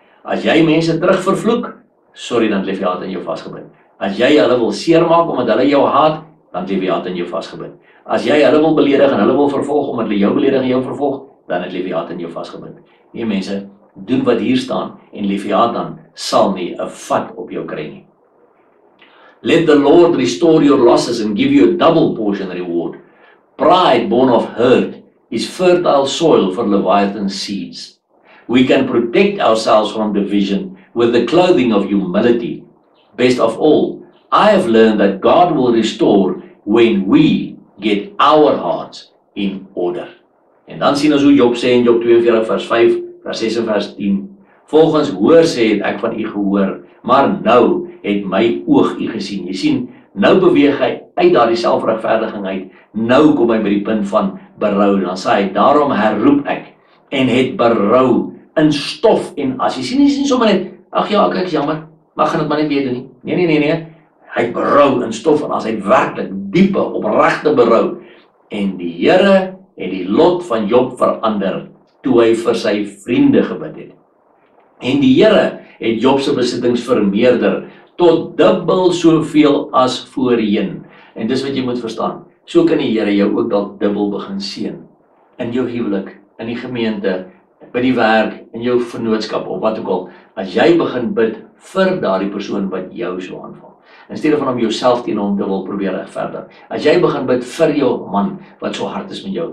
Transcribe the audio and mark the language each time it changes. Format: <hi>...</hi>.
<af>As jy mense terugvervloek, sorry, dan Leviathan jou vasgebind. As jy hulle wil seermaak omdat hulle jou haat, dan Leviathan jou vasgebind. As jy hulle wil beledig en hulle wil vervolg omdat hulle jou beledig en jou vervolg, dan het Leviathan jou vasgebind. Nee mense, doen wat hier staan en Leviathan sal nie 'n vat op jou kry nie.</af> <en>Let the Lord restore your losses and give you a double portion reward. Pride born of hurt is fertile soil for Leviathan seeds. We can protect ourselves from division with the clothing of humility. Best of all, I have learned that God will restore when we get our hearts in order.</en> <af>En dan sien ons hoe Job sê in Job 42 vers 5, vers 6 en vers 10. Volgens hoor sê het ek van u gehoor, maar nou het my oog u gesien. Jy sien, nou beweeg hy uit daardie selfregverdiging uit. Nou kom hy by die punt van berou. Dan sê hy, daarom herroep ek en het berou in stof en as. Jy sien sommer net, ag ja, ek is jammer, maar gaan dit maar net weer doen nie. Nee. Hy berou in stof en as hy werklik diepe, opregte berou. En die Here het die lot van Job verander toe hy vir sy vriende gebid het. En die Here het Job se besittings vermeerder tot dubbel soveel as voorheen. En dis wat jy moet verstaan. So kan die Here jou ook dalk dubbel begin seën. In jou huwelik, in die gemeente, by die werk, in jou vennootskap of wat ook al. As jy begin bid vir daardie persoon wat jou so aanval. In steede van om jouself teen hom dubbel probeer regverdig. As jy begin bid vir jou man wat so hard is met jou.</af>